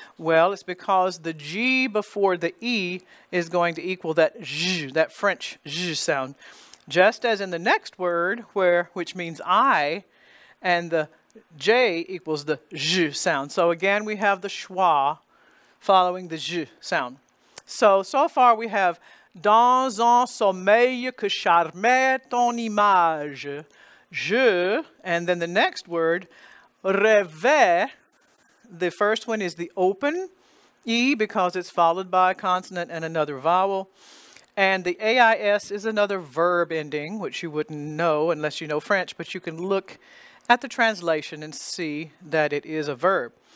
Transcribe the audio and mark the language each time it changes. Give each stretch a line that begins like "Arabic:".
English: Well, it's because the G before the E is going to equal that j, that French j sound. Just as in the next word, which means I, and the J equals the j sound. So again, we have the schwa following the j sound. So far we have
French: dans un sommeil que charmait ton image.
English: Je, and then the next word, Reve. The first one is the open E because it's followed by a consonant and another vowel. And the AIS is another verb ending, which you wouldn't know unless you know French, but you can look at the translation and see that it is a verb.